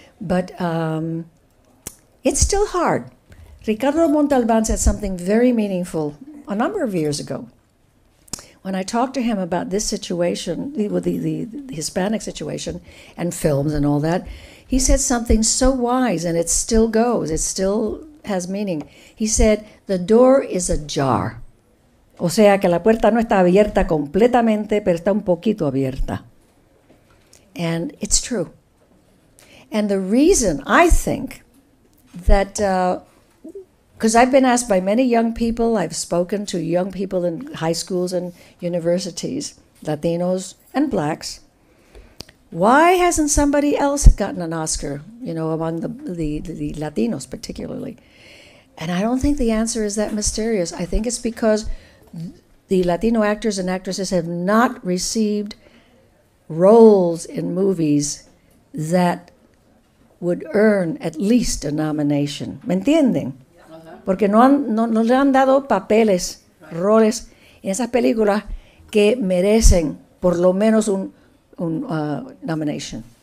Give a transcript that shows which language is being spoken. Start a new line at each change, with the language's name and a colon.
English: But it's still hard. Ricardo Montalban said something very meaningful a number of years ago. When I talked to him about this situation, the Hispanic situation and films and all that, he said something so wise, and it still goes. It still has meaning. He said, the door is ajar.
Spanish: O sea, que la puerta no está abierta completamente, pero está un poquito abierta.
English: And it's true. And the reason I think that, because I've been asked by many young people, I've spoken to young people in high schools and universities, Latinos and blacks, why hasn't somebody else gotten an Oscar, you know, among the Latinos particularly? And I don't think the answer is that mysterious. I think it's because the Latino actors and actresses have not received roles in movies that would earn at least a nomination.
Spanish: ¿Me entienden? Porque no le han dado papeles, roles en esas películas que merecen por lo menos un nomination.